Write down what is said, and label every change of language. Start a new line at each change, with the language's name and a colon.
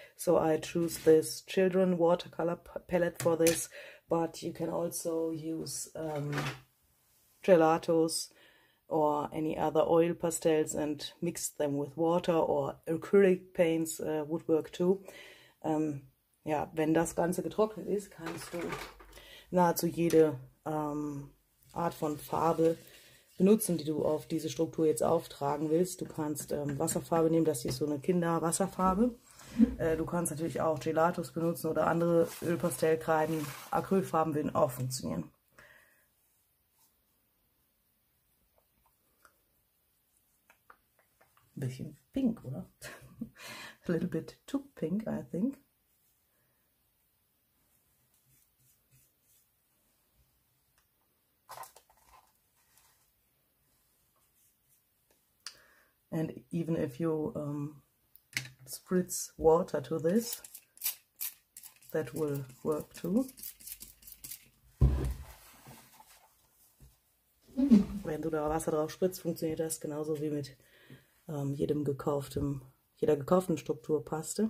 English: So I choose this children watercolor palette for this, but you can also use gelatos or any other oil pastels and mix them with water, or acrylic paints would work too.
German: Ja, wenn das Ganze getrocknet ist, kannst du nahezu jede Art von Farbe benutzen, die du auf diese Struktur jetzt auftragen willst. Du kannst Wasserfarbe nehmen, das hier ist so eine Kinderwasserfarbe. Du kannst natürlich auch Gelatos benutzen oder andere Ölpastellkreiden. Acrylfarben würden auch funktionieren. Bisschen pink, oder?
English: A little bit too pink, I think. And even if you spritz water to this, that will work too.
German: Wenn du da Wasser drauf spritzt, funktioniert das genauso wie mit jeder gekauften Strukturpaste.